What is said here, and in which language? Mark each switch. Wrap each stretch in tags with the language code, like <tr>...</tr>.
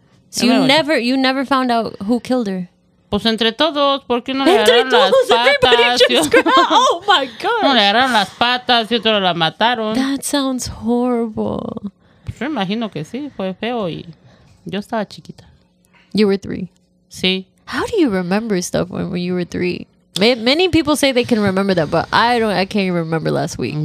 <en>So you never found out who killed her?</en> <es>Pues entre todos, ¿por qué no le agarraron las patas? Entre todos,</es> <en>everybody just screamed, oh my gosh.</en> <es>No le agarraron las patas y otro la mataron.</es> <en>That sounds horrible.</en> <es>Pues yo imagino que sí, fue feo y yo estaba chiquita.</es> <en>You were 3.</en> <es>Sí.</es> <en>How do you remember stuff when you were 3? Many people say they can remember that, but I can't even remember last week.</en>